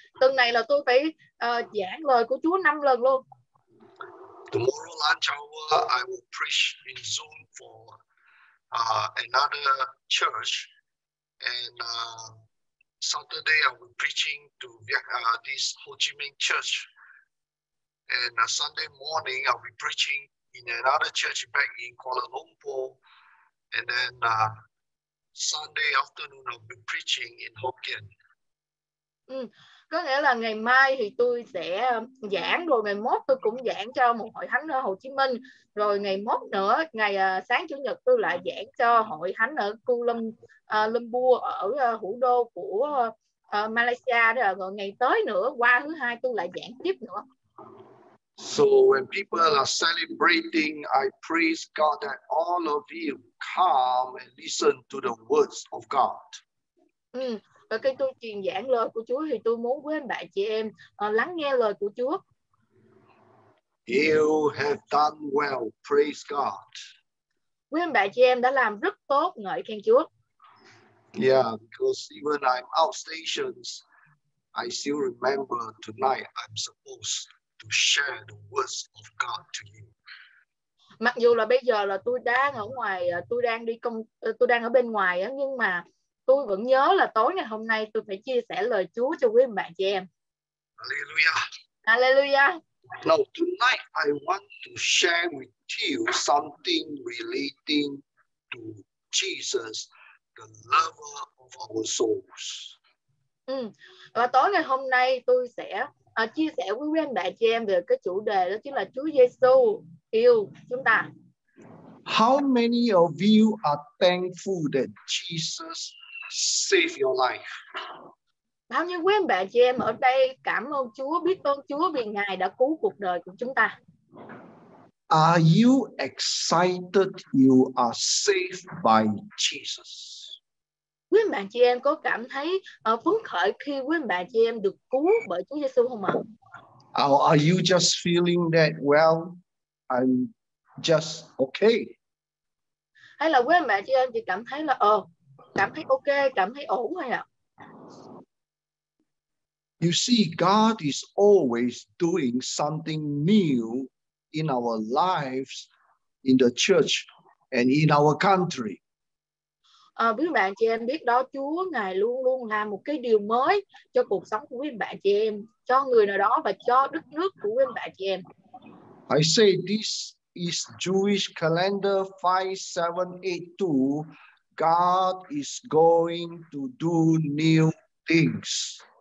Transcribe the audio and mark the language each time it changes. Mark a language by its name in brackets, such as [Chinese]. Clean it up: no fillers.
[Vietnamese] Tuần này là tôi phải giảng lời của Chúa 5 lần luôn. [English] Tomorrow lunch hour I will preach in Zoom for another church, and Saturday I will preaching to this Ho Chi Minh church, and Sunday morning I will preaching in another church back in Kuala Lumpur, and then Sunday afternoon I'll be preaching in Hokkien. [Vietnamese] Có nghĩa là ngày mai thì tôi sẽ giảng, rồi ngày mốt tôi cũng giảng cho một hội thánh ở Hồ Chí Minh, rồi ngày mốt nữa, ngày sáng Chủ nhật tôi lại giảng cho hội thánh ở Kuala Lumpur ở thủ đô của Malaysia, rồi ngày tới nữa, qua thứ hai tôi lại giảng tiếp nữa. [English] So when people are celebrating, I praise God that all of you come and listen to the words of God. [Vietnamese] Và khi tôi truyền giảng lời của Chúa thì tôi muốn quý anh bạn chị em lắng nghe lời của Chúa. [English] You have done well, praise God. [Vietnamese] Quý anh bạn chị em đã làm rất tốt, ngợi khen Chúa. [English] Yeah, because even I'm out stations, I still remember tonight I'm supposed to share the words of God to you. [Vietnamese] Mặc dù là bây giờ là tôi đang ở ngoài, tôi đang ở bên ngoài á, nhưng mà tôi vẫn nhớ là tối ngày hôm nay tôi phải chia sẻ lời Chúa cho quý bạn chị em. [English] Hallelujah. Hallelujah. Now tonight I want to share with you something relating to Jesus, the lover of our souls. [Vietnamese] Và tối ngày hôm nay tôi sẽ chia sẻ với quý bạn chị em về cái chủ đề đó chính là Chúa Giêsu yêu chúng ta. [English] How many of you are thankful that Jesus save your life? [Vietnamese] Bao nhiêu quý anh bạn chị em ở đây cảm ơn Chúa, biết ơn Chúa vì Ngài đã cứu cuộc đời của chúng ta? [English] Are you excited you are saved by Jesus? [Vietnamese] Quý anh bạn chị em có cảm thấy phấn khởi khi quý anh bạn chị em được cứu bởi Chúa Giêsu không ạ? [English] Or are you just feeling that, well, I'm just okay? [Vietnamese] Hay là quý anh bạn chị em chỉ cảm thấy là cảm thấy ok, cảm thấy ổn thôi ạ? [English] You see, God is always doing something new in our lives, in the church, and in our country. [Vietnamese] Quý bạn chị em biết đó, Chúa Ngài luôn luôn làm một cái điều mới cho cuộc sống của quý bạn chị em, cho người nào đó và cho đất nước của quý bạn chị em. [English] I say this is Jewish calendar 5782. God is going to do new things.